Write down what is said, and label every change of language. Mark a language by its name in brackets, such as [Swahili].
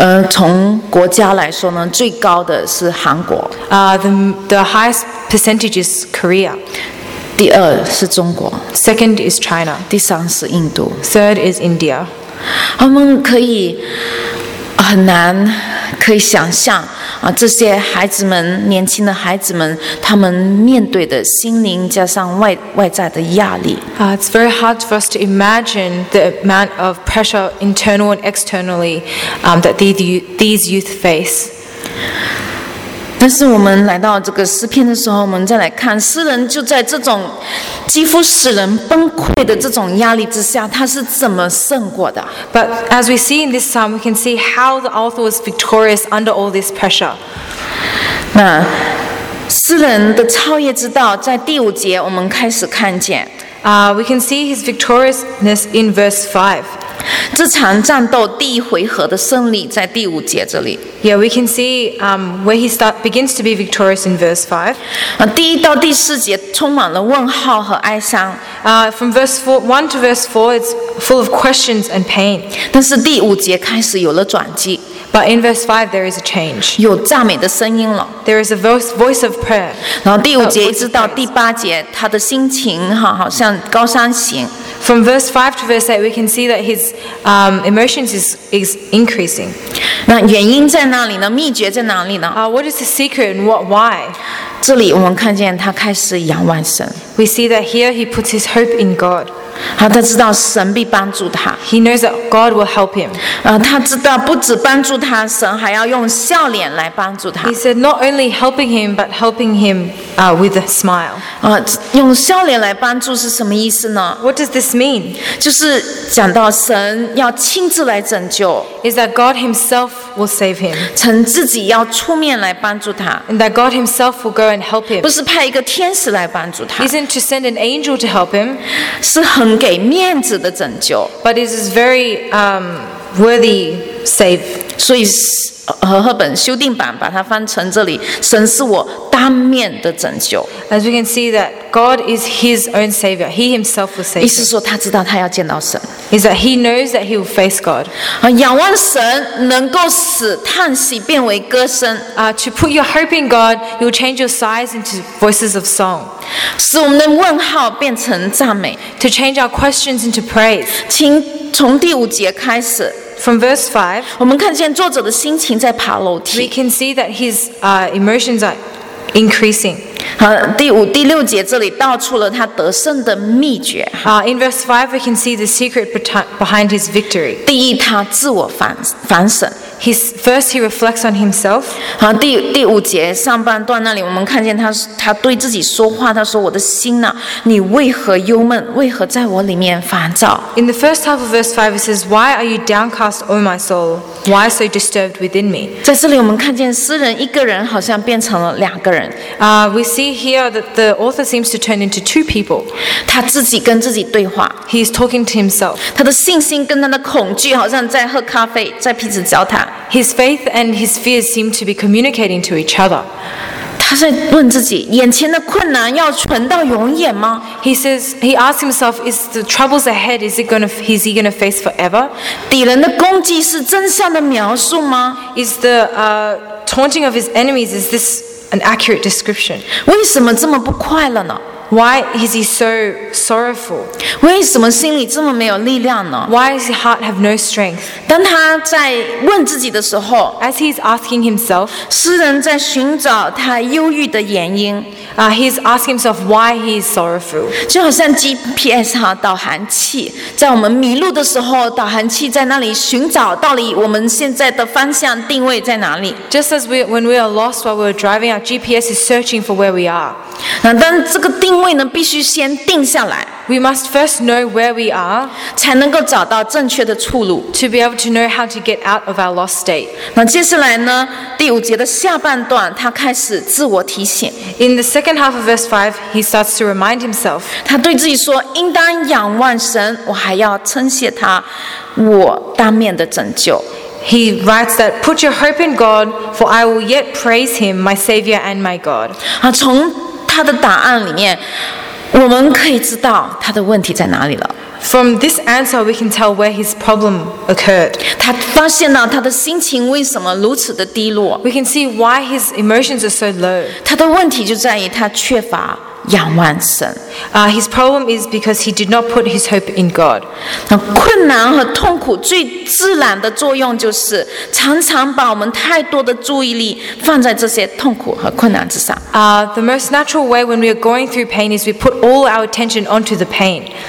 [Chinese] 从国家来说呢，最高的是韩国。 [English] The highest percentage is Korea. [Chinese] 第二是中国。 [English] Second is China. [Chinese] 第三是印度。 [English] Third is India. [Chinese] 我们可以很难可以想象啊，这些孩子们，年轻的孩子们，他们面对的心灵加上外在的压力。 [English] It's very hard for us to imagine the amount of pressure, internal and externally, that these youth face. [Chinese] 但是我们来到这个诗篇的时候，我们再来看诗人就在这种几乎使人崩溃的这种压力之下，他是怎么胜过的？ [English] But as we see in this psalm, we can see how the author was victorious under all this pressure. [Chinese] 那诗人的超越之道在第五节我们开始看见。 [English] We can see his victoriousness in verse 5. [Chinese] 这场战斗第一回合的胜利在第五节这里。 [English] Yeah, we can see where he begins to be victorious in verse 5. [Chinese] 第一到第四节充满了问号和哀伤。 [English] From verse 1 to verse 4, it's full of questions and pain. [Chinese] 但是第五节开始有了转机。 [English] But in verse 5, there is a change. [Chinese] 有赞美的声音了。 [English] There is a voice of prayer. [Chinese] 然后第五节一直到第八节，他的心情好像高山行。 [English] From verse 5 to verse 8, we can see that his emotions is increasing. [Chinese] 那原因在哪里呢？秘诀在哪里呢？ [English] What is the secret and what why? [Chinese] 这里我们看见他开始仰望神。 [English] We see that here he puts his hope in God. [Chinese] 他知道神必帮助他。 [English] He knows that God will help him. [Chinese] 他知道不止帮助他，神还要用笑脸来帮助他。 [English] He said not only helping him, but helping him with a smile. [Chinese] 用笑脸来帮助是什么意思呢？ [English] What does this mean? [Chinese] 就是讲到神要亲自来拯救。 [English] Is that God himself will save him. [Chinese] 神自己要出面来帮助他。 [English] And that God himself will go and help him. [Chinese] 不是派一个天使来帮助他。 [English] Isn't to send an angel to help him. [Chinese] 是很给面子的拯救。 [English] But it is very worthy save. [Chinese] 所以和本修订版把它翻成这里，神是我当面的拯救。 [English] As we can see that God is his own savior. He himself will save. [Chinese] 意思说他知道他要见到神。 [English] Is that he knows that he will face God. [Chinese] 仰望神能够使叹息变为歌声。 [English] To put your hope in God, you will change your sighs into voices of song. [Chinese] 使我们的问号变成赞美。 [English] To change our questions into praise. [Chinese] 请从第五节开始。 [English] From verse 5, [Chinese] 我们看见作者的心情在爬楼梯。 [English] We can see that his emotions are increasing. [Chinese] 第六节这里道出了他得胜的秘诀。 [English] In verse 5, we can see the secret behind his victory. [Chinese] 第一，他自我反省。 [English] First, he reflects on himself. [Chinese] 第五节上半段那里，我们看见他对自己说话，他说：“我的心呐，你为何忧闷？为何在我里面烦躁？” [English] In the first half of verse 5, it says, "Why are you downcast, O my soul? Why so disturbed within me?" [Chinese] 在这里，我们看见诗人一个人好像变成了两个人。 [English] We see here that the author seems to turn into two people. [Chinese] 他自己跟自己对话。 [English] He is talking to himself. [Chinese] 他的信心跟他的恐惧好像在喝咖啡，在彼此交谈。 [English] His faith and his fears seem to be communicating to each other. [Chinese] 他在问自己，眼前的困难要存到永远吗？ [English] He asks himself, is the troubles ahead, is he going to face forever? [Chinese] 敌人的攻击是真相的描述吗？ [English] Is the taunting of his enemies, is this an accurate description. [Chinese] 为什么这么不快乐呢？ [English] Why is he so sorrowful? [Chinese] 为什么心里这么没有力量呢？ [English] Why does his heart have no strength? [Chinese] 当他在问自己的时候， [English] As he's asking himself, [Chinese] 诗人在寻找他忧郁的原因， [English] He's asking himself why he's sorrowful. [Chinese] 就好像 GPS 哈，导航器，在我们迷路的时候，导航器在那里寻找到底我们现在的方向定位在哪里。 [English] Just as when we are lost while we're driving, our GPS is searching for where we are. [Chinese] 但这个定位呢，必须先定下来。 [English] We must first know where we are, [Chinese] 才能够找到正确的出路。 [English] To be able to know how to get out of our lost state. [Chinese] 那接下来呢，第五节的下半段，他开始自我提醒。 [English] In the second half of verse 5, he starts to remind himself. [Chinese] 他对自己说，应当仰望神，我还要称谢他，我当面的拯救。 [English] He writes that, Put your hope in God, for I will yet praise him, my Savior and my God. [Chinese] 从他的答案里面，我们可以知道他的问题在哪里了。 [English] From this answer, we can tell where his problem occurred. [Chinese] 他发现了他的心情为什么如此的低落。 [English] We can see why his emotions are so low. [Chinese] 他的问题就在于他缺乏仰望神。 [English] His problem is because he did not put his hope in God. [Chinese] 困难和痛苦最自然的作用就是常常把我们太多的注意力放在这些痛苦和困难之上。 [English] The most natural way when we are going through pain is we put all our attention onto the pain.